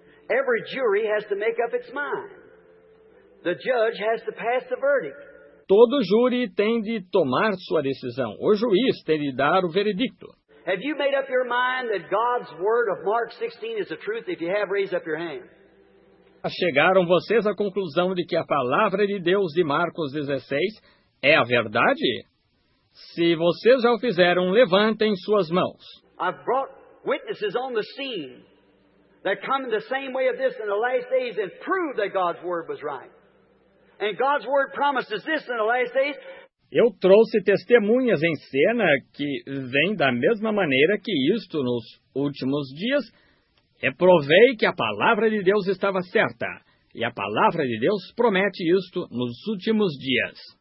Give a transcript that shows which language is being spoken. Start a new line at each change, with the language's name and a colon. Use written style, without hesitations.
English: Every jury has to make up its mind. The judge has to pass the verdict.
Portuguese: Todo júri tem de tomar sua decisão. O juiz tem de dar o veredicto.
English: Have you made up your mind that God's word of Mark 16 is the truth? If you have, raise up your hand.
Portuguese: Chegaram vocês à conclusão de que a palavra de Deus de Marcos 16 é a verdade? Se vocês já o fizeram, levantem suas mãos.
English: I've brought witnesses on the scene that come in the same way of this in the last days and prove that God's word was right. And God's word promises this in the last days.
Portuguese: Eu trouxe testemunhas em cena que vêm da mesma maneira que isto nos últimos dias. E provei que a palavra de Deus estava certa. E a palavra de Deus promete isto nos últimos dias.